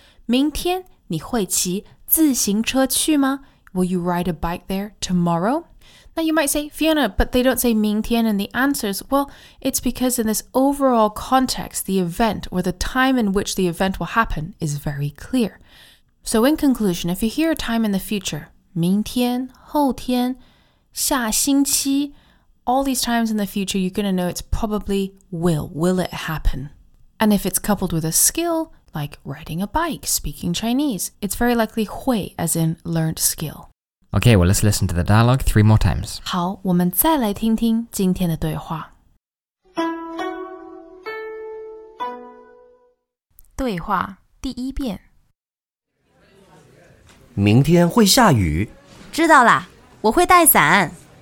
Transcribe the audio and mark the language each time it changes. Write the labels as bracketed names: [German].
[Chinese] 明天你会骑自行车去吗? [English] Will you ride a bike there tomorrow? Now you might say, Fiona, but they don't say 明天 in the answers. Well, it's because in this overall context, the event or the time in which the event will happen is very clear. So in conclusion, if you hear a time in the future, [Chinese] 明天,后天,下星期, [English] all these times in the future, you're going to know it's probably will it happen? And if it's coupled with a skill, like riding a bike, speaking Chinese, it's very likely 会, as in learned skill. Okay, well, let's listen to the dialogue 3 more times. [Chinese] 好, 我们再来听听今天的对话。对话第一遍。明天会下雨? 知道了,我会带伞。